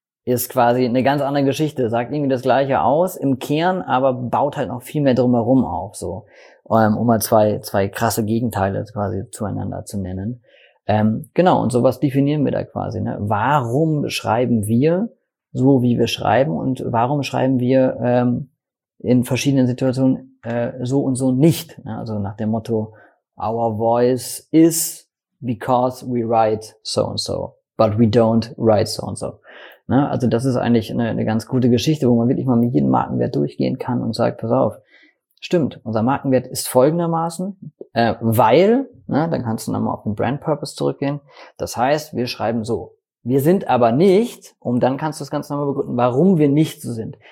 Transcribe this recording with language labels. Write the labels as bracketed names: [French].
[German] Ist quasi eine ganz andere Geschichte, sagt irgendwie das Gleiche aus im Kern, aber baut halt noch viel mehr drumherum auf, so, um mal zwei krasse Gegenteile quasi zueinander zu nennen. Genau, und sowas definieren wir da quasi, ne? Warum schreiben wir so, wie wir schreiben, und warum schreiben wir in verschiedenen Situationen so und so nicht, ne? Also nach dem Motto, [English] our voice is because we write so and so, but we don't write so and so. [German] Ne, also das ist eigentlich eine ganz gute Geschichte, wo man wirklich mal mit jedem Markenwert durchgehen kann und sagt, pass auf, stimmt, unser Markenwert ist folgendermaßen, weil, ne, dann kannst du nochmal auf den Brand Purpose zurückgehen, das heißt, wir schreiben so, wir sind aber nicht, und dann kannst du das Ganze nochmal begründen, warum wir nicht so sind.